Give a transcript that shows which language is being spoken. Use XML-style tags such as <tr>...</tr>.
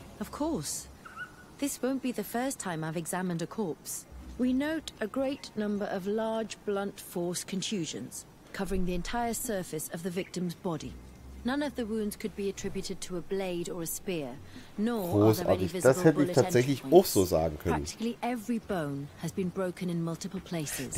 <en>Of course. This won't be the first time I've examined a corpse. We note a great number of large blunt force contusions covering the entire surface of the victim's body. None of the wounds could be attributed to a blade or a spear, nor</en> <de>Großartig.</de> <en>Are there any</en> <de>visible Das hätte ich tatsächlich auch so sagen können.</de> <en>Practically every bone has been broken in multiple places.</en>